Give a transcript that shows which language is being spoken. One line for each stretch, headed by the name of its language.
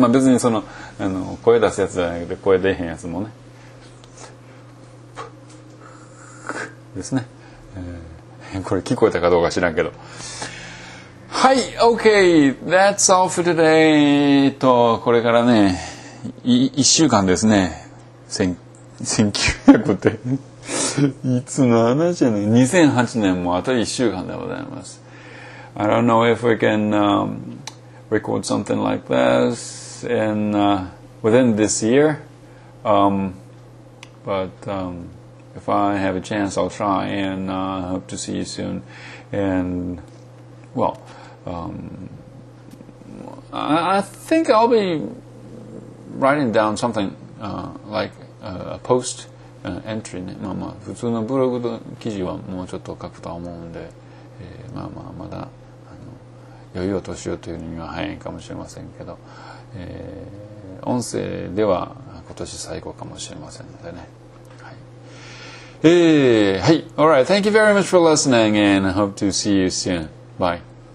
Japanese: まあ別にその、声出すやつじゃなくて声出へんやつもね、ですね、これ聞こえたかどうか知らんけど、はい、
English: OK That's all for today
Japanese: と、これからね1週間ですね、1900っていつの話やねん、2008年もあと1週間でございます。
English: I don't know if we can record something like this andwithin this year, but if I have a chance, I'll try, and I hope to see you soon. And, well, I think I'll be writing down something like a post entry.
Japanese: まあまあ普通のブログの記事はもうちょっと書くと思うんで、まあまあまだ余裕を年をというには早いかもしれませんけど、音声では今年最後かもしれませんのでね。はい。
English: はい。All right. Thank you very much for listening and I hope to see you soon. Bye.